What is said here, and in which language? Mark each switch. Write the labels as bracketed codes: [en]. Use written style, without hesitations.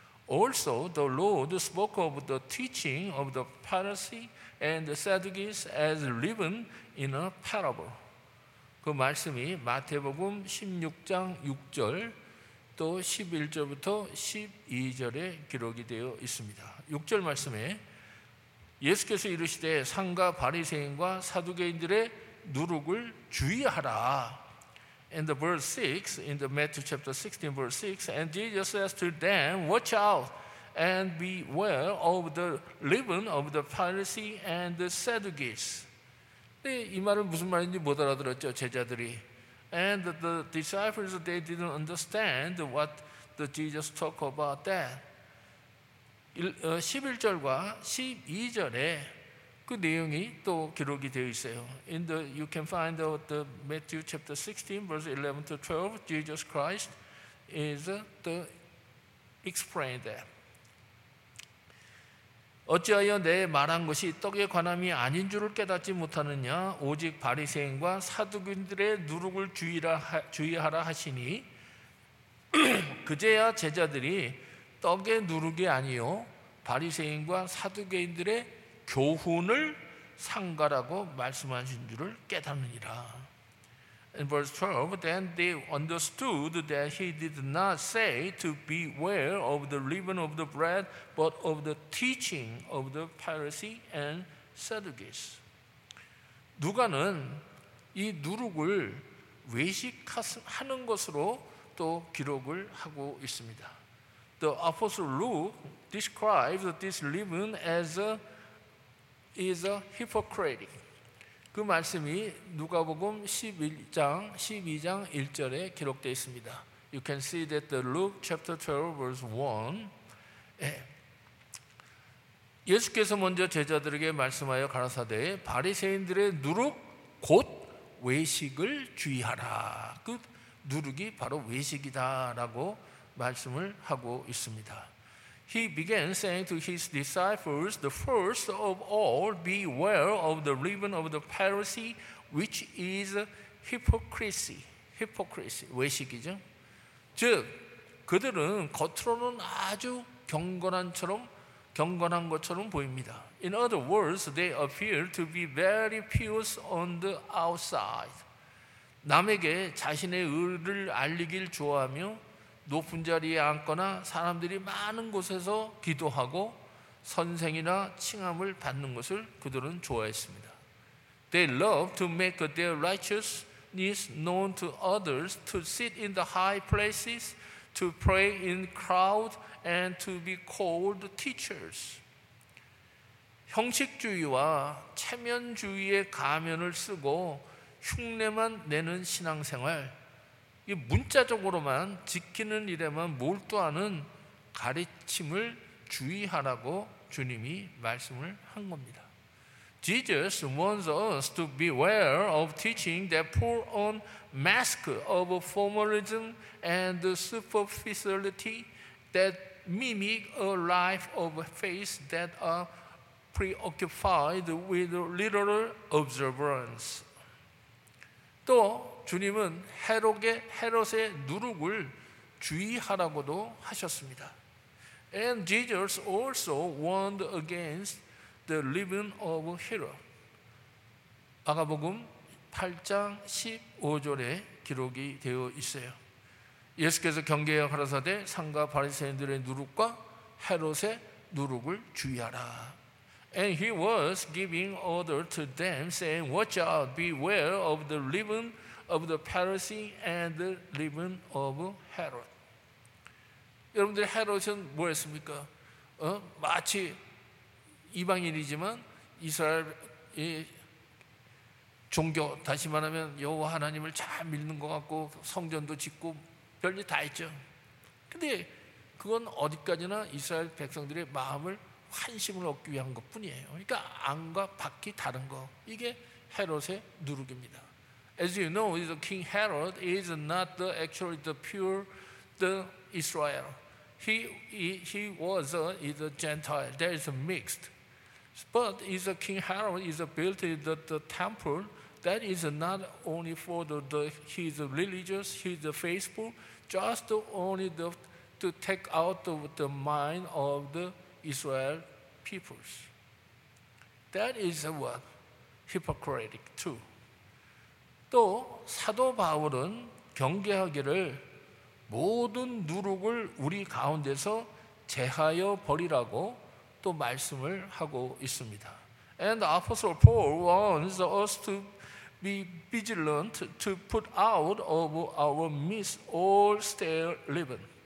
[en] Also, the Lord spoke of the teaching of the Pharisees and the Sadducees as leaven in a parable. [ko] 그 말씀이 마태복음 16장 6절 또 11절부터 12절에 기록이 되어 있습니다. 6절 말씀에 예수께서 이르시되 상가 바리새인과 사두개인들의 누룩을 주의하라. [en] In the verse 6, in the Matthew chapter 16, verse 6, and Jesus says to them, watch out and beware of the leaven of the Pharisees and the Sadducees. [ko] 네, 이 말은 무슨 말인지 못 알아들었죠, 제자들이. [en] And the disciples, they didn't understand what the Jesus talked about that. [ko] 11절과 12절에 그 내용이 또 기록이 되어 있어요. [en] In the you can find out the Matthew chapter 16 verse 11 to 12, Jesus Christ is the explain that. [ko] 어찌하여 내 말한 것이 떡에 관함이 아닌 줄을 깨닫지 못하느냐? 오직 바리새인과 사두개인들의 누룩을 주의하라 하시니 그제야 제자들이 떡의 누룩이 아니요 바리새인과 사두개인들의 교훈을 상가라고 말씀하신 줄을 깨닫느니라. [en] In verse 12, then they understood that he did not say to beware of the leaven of the bread, but of the teaching of the Pharisees and Sadducees. [ko] 누가는 이 누룩을 외식하는 것으로 또 기록을 하고 있습니다. [en] The apostle Luke describes this leaven as a is a hypocritic. [ko] 그 말씀이 누가복음 11장 12장 1절에 기록되어 있습니다. [en] You can see that the Luke chapter 12 verse 1. [ko] 예수께서 먼저 제자들에게 말씀하여 가라사대 바리새인들의 누룩 곧 외식을 주의하라. 그 누룩이 바로 외식이다라고 말씀을 하고 있습니다. [en] He began saying to his disciples, the first of all, beware of the leaven of the Pharisee, which is hypocrisy. [ko] Hypocrisy, 외식이죠. 즉, 그들은 겉으로는 아주 경건한 것처럼 보입니다. [en] In other words, they appear to be very pious on the outside. [ko] 남에게 자신의 의를 알리길 좋아하며 높은 자리에 앉거나 사람들이 많은 곳에서 기도하고 선생이나 칭함을 받는 것을 그들은 좋아했습니다. [en] They love to make their righteousness known to others, to sit in the high places, to pray in crowd, and to be called teachers. [ko] 형식주의와 체면주의의 가면을 쓰고 흉내만 내는 신앙생활, 이 문자적으로만 지키는 일에만 몰두하는 가르침을 주의하라고 주님이 말씀을 한 겁니다. [en] Jesus warns us to beware of teaching that pull on mask of formalism and superficiality that mimic a life of faith that are preoccupied with literal observance. [ko] 또 주님은 헤롯의 누룩을 주의하라고도 하셨습니다. [en] And Jesus also warned against the living of Herod. [ko] 마가복음 8장 15절에 기록이 되어 있어요. 예수께서 경계하여 가라사대 상가 바리새인들의 누룩과 헤롯의 누룩을 주의하라. [en] And he was giving order to them, saying, Watch out, beware of the living of the Pharisee and the living of Herod. [ko] 여러분들, 헤롯은 뭐 했습니까? 마치 이방인이지만 이스라엘의 종교, 다시 말하면 여호와 하나님을 잘 믿는 것 같고 성전도 짓고 별일 다 했죠. 근데 그건 어디까지나 이스라엘 백성들의 마음을 환심을 얻기 위한 것뿐이에요. 그러니까 안과 밖이 다른 거, 이게 헤롯의 누룩입니다. [en] As you know, the King Herod is not the actually the pure the Israel. He was a Gentile. There is a mixed. But is a King Herod is a built the temple that is not only for the he's religious, he's faithful, just only to take out of the mind of the Israel peoples. That is what hypocritic too. [ko] 또 사도 바울은 경계하기를 모든 누룩을 우리 가운데서 제하여 버리라고 또 말씀을 하고 있습니다. [en] And the Apostle Paul warns us to be vigilant to put out of our midst all stale leaven.